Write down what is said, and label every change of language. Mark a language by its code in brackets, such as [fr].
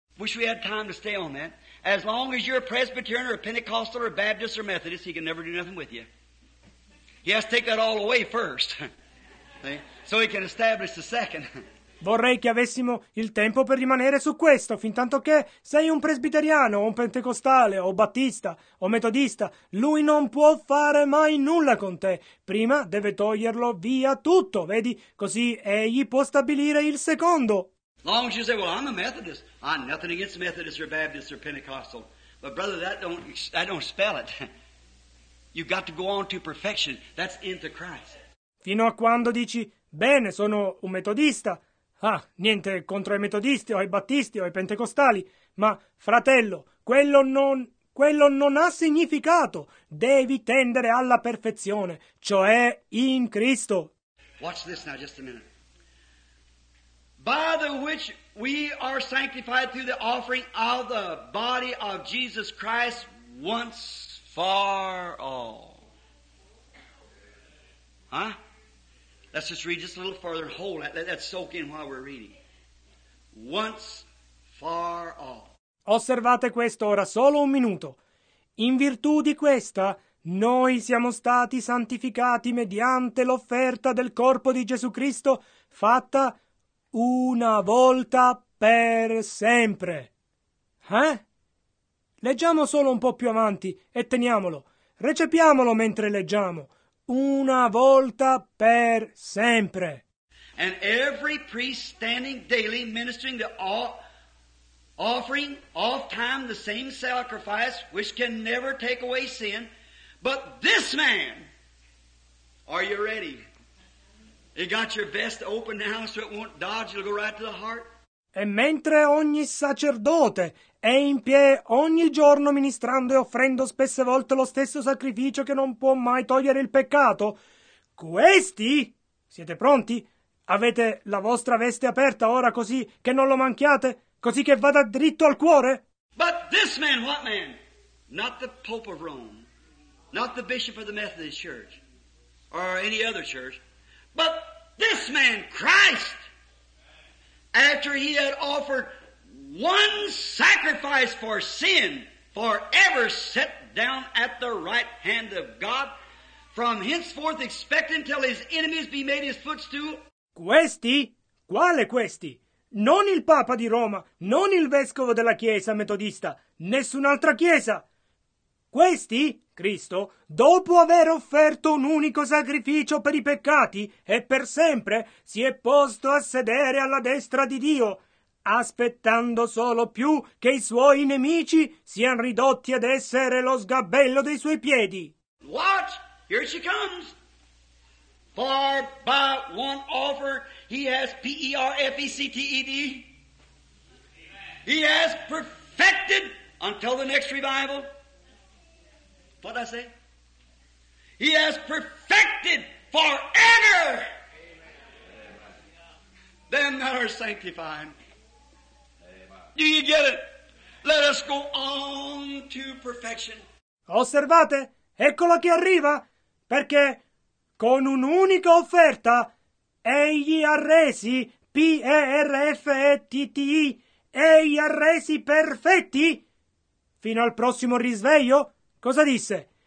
[en] Wish we had time to stay on that. As long as you're a Presbyterian or a Pentecostal or a Baptist or Methodist, he can never do nothing with you. He has to take that all away first. So he can establish the second. [it] Vorrei che avessimo il tempo per rimanere su questo, fin tanto che sei un presbiteriano, o un pentecostale, o battista, o metodista, lui non può fare mai nulla con te. Prima deve toglierlo via tutto, vedi? Così egli può stabilire il secondo. [en] Long as you say, well, I'm a Methodist. I'm nothing against Methodist or Baptist or Pentecostal. But brother, that don't spell it. You've got to go on to perfection. That's into Christ. [it] Fino a quando dici, bene, sono un metodista. Ah, niente contro i metodisti o i battisti o i pentecostali. Ma, fratello, quello non ha significato. Devi tendere alla perfezione, cioè in Cristo. [en] Watch this now, just a minute. By the which we are sanctified through the offering of the body of Jesus Christ once for all. Huh? Let's just read just a little further. Hold that. Let that soak in while we're reading. Once far off. [it] Osservate questo ora, solo un minuto. In virtù di questa, noi siamo stati santificati mediante l'offerta del corpo di Gesù Cristo fatta una volta per sempre. Eh? Leggiamo solo un po' più avanti e teniamolo. Recepiamolo mentre leggiamo. Una volta per sempre. [en] And every priest standing daily ministering the offering all time the same sacrifice which can never take away sin. But this man, are you ready? You got your vest open now so it won't dodge, it'll go right to the heart. [it] E mentre ogni sacerdote è in piedi ogni giorno ministrando e offrendo spesse volte lo stesso sacrificio che non può mai togliere il peccato, questi, siete pronti? Avete la vostra veste aperta ora così che non lo manchiate? Così che vada dritto al cuore? [en] But this man, what man? Not the Pope of Rome, not the Bishop of the Methodist Church, or any other church, but this man, Christ! After he had offered one sacrifice for sin, forever set down at the right hand of God, from henceforth expecting till his enemies be made his footstool. [it] Questi? Quale questi? Non il Papa di Roma, non il Vescovo della Chiesa Metodista, nessun'altra Chiesa. Questi, Cristo, dopo aver offerto un unico sacrificio per i peccati e per sempre, si è posto a sedere alla destra di Dio, aspettando solo più che i suoi nemici siano ridotti ad essere lo sgabello dei suoi piedi. [en] Watch, here she comes. For by one offer he has perfected. He has perfected until the next revival. What did I say? He has perfected forever them that are sanctified. Amen. Do you get it? Let us go on to perfection. [it] Osservate, eccolo che arriva, perché con un'unica offerta egli ha resi perfetti, egli ha resi perfetti fino al prossimo risveglio. Cosa disse?